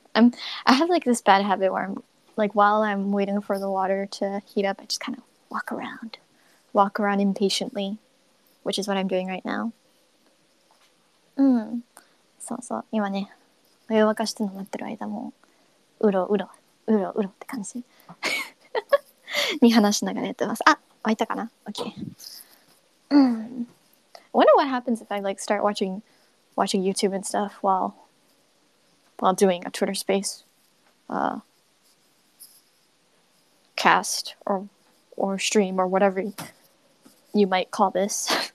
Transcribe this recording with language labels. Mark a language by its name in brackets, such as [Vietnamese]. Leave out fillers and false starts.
[English] I have like this bad habit where I'm like, while I'm waiting for the water to heat up, I just kind of walk around impatiently, which is what I'm doing right now. [Japanese] そうそう、今ね、お湯沸かしてるの待ってる間もうろうろうろうろって感じに話しながらやってます。あ、沸いたかな? [English] Okay. I wonder what happens if I like start watching YouTube and stuff while doing a Twitter space cast or stream or whatever you might call this.